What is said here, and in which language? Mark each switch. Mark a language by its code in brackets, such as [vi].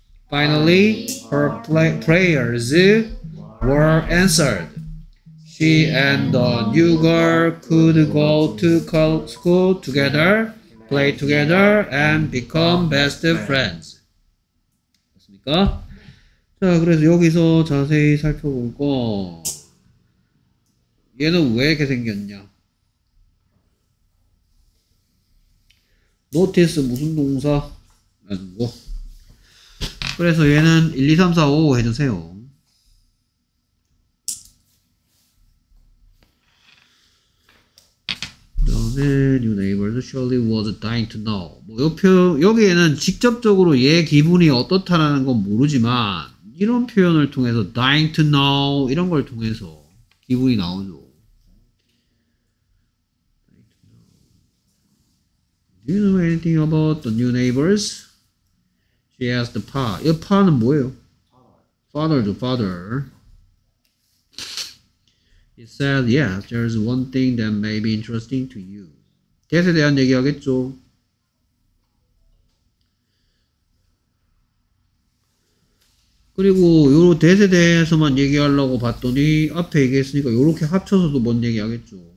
[en] Finally, her prayers were answered. She and the new girl could go to school together, play together, and become best friends. [ko] 됐습니까? 자, 그래서 여기서 자세히 살펴보고, 얘는 왜 이렇게 생겼냐? Notice 무슨 동사? 라는 거. 그래서 얘는 1, 2, 3, 4, 5 해주세요. 그다음에 [en] New neighbors surely was dying to know. [ko] 뭐 옆에, 여기에는 직접적으로 얘 기분이 어떻다라는 건 모르지만 이런 표현을 통해서 [en] dying to know [ko] 이런 걸 통해서 기분이 나오죠. [en] Do you know anything about the new neighbors? She asked the pa. [ko] 이 pa는 뭐예요? [en] Father. Father. He said, yes, there is one thing that may be interesting to you. [ko] 대세에 대한 얘기하겠죠. 그리고 요 대세에 대해서만 얘기하려고 봤더니 앞에 얘기했으니까 요렇게 합쳐서도 뭔 얘기하겠죠.